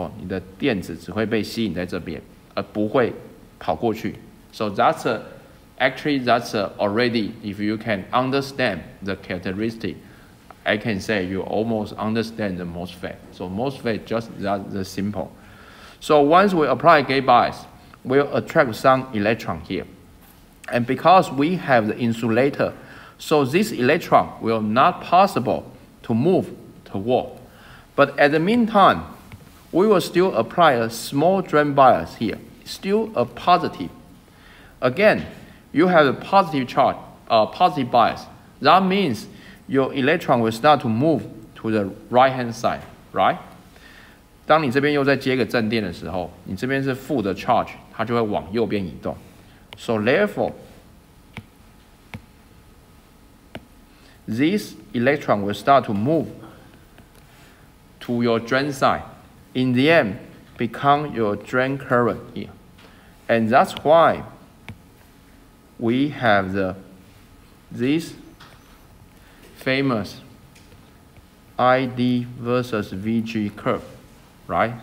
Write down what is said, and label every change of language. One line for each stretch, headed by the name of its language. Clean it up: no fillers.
Chinese: 因为我们这边有一个绝缘层，所以你在加一个正电压的时候，你的电子只会被吸引在这边。不会跑过去.
English: So that's actually already, if you can understand the characteristic, I can say you almost understand the MOSFET. So MOSFET just that the simple. So once we apply gate bias, we'll attract some electron here. And because we have the insulator, so this electron will not possible to move toward. But at the meantime, we will still apply a small drain bias here. Still a positive. Again, you have a positive charge, positive bias. That means your electron will start to move to the right hand side, right?
Chinese: 当你这边又再接个正电的时候，你这边是负的 charge, 它就会往右边移动.
English: So therefore, this electron will start to move to your drain side. In the end, become your drain current here. And that's why we have this famous ID versus VG curve, right?